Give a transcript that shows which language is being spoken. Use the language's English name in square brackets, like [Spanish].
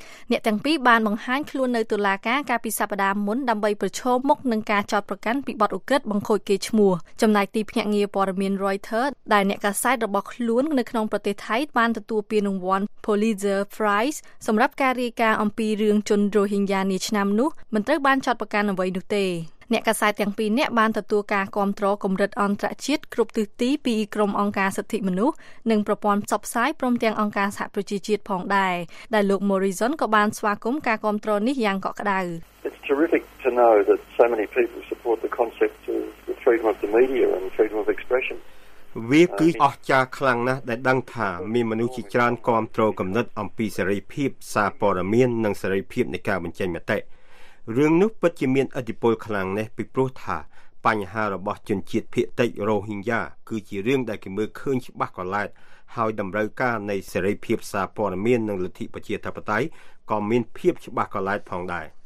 [Khmer] អ្នកទាំងពីរបានបង្ហាញខ្លួននៅតុលាការកាលពីសប្តាហ៍មុនដើម្បីប្រឈមមុខនឹងការចោទប្រកាន់ពីបទឧក្រិដ្ឋបង្ខូចកេរ្តិ៍ឈ្មោះចំណែកទីភ្នាក់ងារព័ត៌មាន Reuters ដែលអ្នកកាសែតរបស់ខ្លួននៅក្នុងប្រទេសថៃបានទទួលពានរង្វាន់ Pulitzer Prize សម្រាប់ការរាយការណ៍អំពីរឿងជន Rohingya នេះឆ្នាំនោះមិនត្រូវបានចោទប្រកាន់អ្វីនោះទេ អ្នកកាសែតទាំងពីរនាក់បានទទួលការគាំទ្រកម្រិតអន្តរជាតិគ្រប់ទិសទីពីក្រុមអង្គការសិទ្ធិមនុស្សនិងប្រព័ន្ធផ្សព្វផ្សាយព្រមទាំងអង្គការសហប្រជាជាតិផងដែរដែលលោក Morrison ក៏បានស្វាគមន៍ការគាំទ្រនេះយ៉ាងកក់ក្តៅ [English] It's terrific to know that so many people support the concept of the freedom of the media and freedom of expression [Khmer] វាគឺអស្ចារ្យខ្លាំងណាស់ដែលដឹងថាមានមនុស្សជាច្រើនគាំទ្រកម្រិតអំពីសេរីភាពសារព័ត៌មាននិងសេរីភាពនៃការបញ្ចេញមតិរឿងនោះពិតជាមានឥទ្ធិពលខ្លាំងណាស់ពីព្រោះថាបញ្ហារបស់ជនជាតិភាគតិចរ៉ូហីងយ៉ាគឺជារឿងដែលគេមើលឃើញច្បាស់កន្លែតហើយតម្រូវការនៃសេរីភាពសារព័ត៌មាននិងលទ្ធិប្រជាធិបតេយ្យក៏មានភាពច្បាស់កន្លែតផងដែរ